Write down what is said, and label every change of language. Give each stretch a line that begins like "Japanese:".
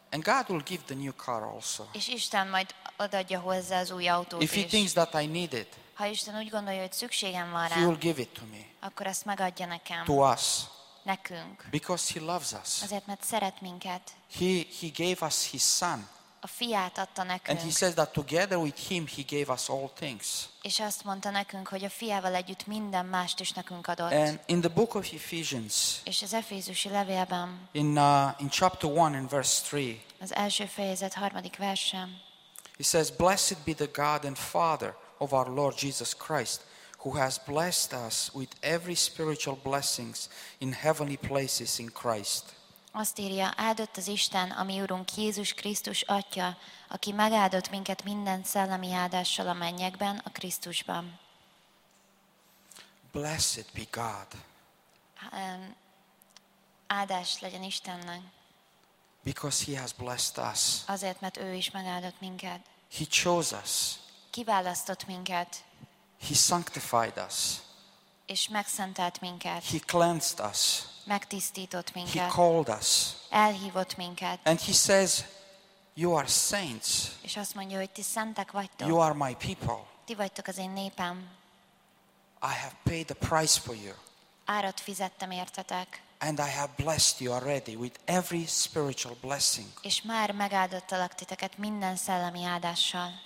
English: And God will give the new car also.
Hungarian: És Isten majd odaadja hozzá az új autót.
English: If He thinks that I need it.
Hungarian: Ha Isten úgy gondolja, hogy szükségem van rá.
English: He will give it to me.
Hungarian: Akkor ezt megadja nekem.
English: To us.
Hungarian: Nekünk.
English: Because He loves us.
Hungarian: Azért, mert szeret minket.
English: He gave us His Son.
Hungarian: A fiát adta nekünk.
English: And He says that together with Him He gave us all things.
Hungarian: És azt mondta nekünk, hogy a fiával együtt minden mást is nekünk adott.
English: And in the book of Ephesians.
Hungarian: És az Efézusi levélben.
English: In chapter 1 and verse 3.
Hungarian: Az első fejezet 3. versem.
English: He says, "Blessed be the God and Father of our Lord Jesus Christ, who has blessed us with every spiritual blessings in heavenly places in Christ."
Hungarian: Azt írja, áldott az Isten, a mi Urunk Jézus Krisztus Atya, aki megáldott minket minden szellemi áldással a mennyekben, a Krisztusban.
English: Blessed be God.
Hungarian: Áldás legyen Istennek.
English: Because He has blessed us.
Hungarian: Azért, mert ő is megáldott minket.
English: He chose us.
Hungarian: Kiválasztott minket.
English: He sanctified us.
Hungarian: És megszentelt minket.
English: He cleansed us.
Hungarian: Megtisztított minket.
English: He called us.
Hungarian: Elhívott minket.
English: And He says, "You are saints."
Hungarian: És azt mondja, hogy ti szentek vagytok.
English: You are my people.
Hungarian: Ti vagytok az én népem.
English: I have paid the price for you.
Hungarian: Árat fizettem értetek.
English: And I have blessed you already with every spiritual blessing.
Hungarian: És már megáldottalak titeket minden szellemi áldással.